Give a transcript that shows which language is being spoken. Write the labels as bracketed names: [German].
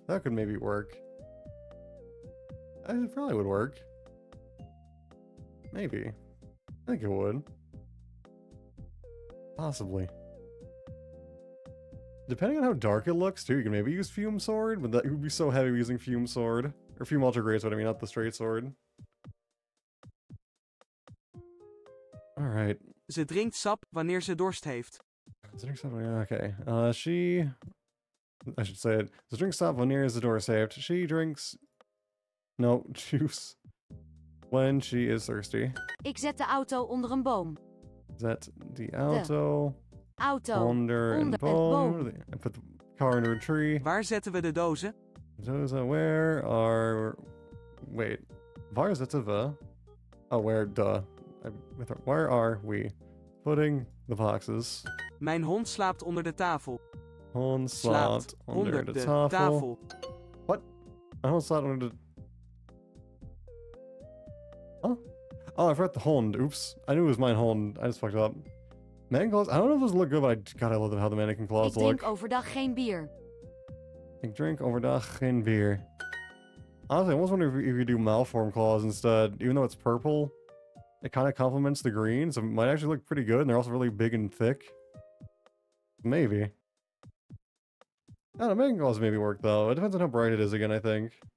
[English] That could maybe work. It probably would work. Maybe. I think it would. Possibly. Depending on how dark it looks, too, you can maybe use Fume Sword, but that would be so heavy using Fume Sword. Or Fume Ultra Grace, what I mean, not the straight sword. Alright. [Dutch] Ze drinkt sap wanneer ze dorst heeft. Ze drinkt sap, [English] okay. She I should say it. The drink stop when near is the door saved. She drinks... No, juice. When she is thirsty. [Dutch] Ik zet de auto onder een boom. Zet de auto... De auto onder een boom. [English] I put the car under a tree. [Dutch] Waar zetten we de dozen? [English] Dozen, where are... Wait. [Dutch] Waar zetten we... [English] Oh, where, duh. Where are we putting the boxes? [Dutch] Mijn hond slaapt onder de tafel. Hond slaapt onder de tafel. What? Mijn hond slaapt onder de... [English] Huh? Oh, I forgot the hond. Oops. I knew it was mijn hond. I just fucked up. Mannequin claws? I don't know if those look good, but I love how the mannequin claws look. [Dutch] Ik drink overdag geen bier. Ik drink overdag geen bier. [English] Honestly, I almost wonder if you do malform claws instead. Even though it's purple, it kind of complements the green, so it might actually look pretty good, and they're also really big and thick. Maybe. I don't know, mannequin claws maybe work, though. It depends on how bright it is again, I think.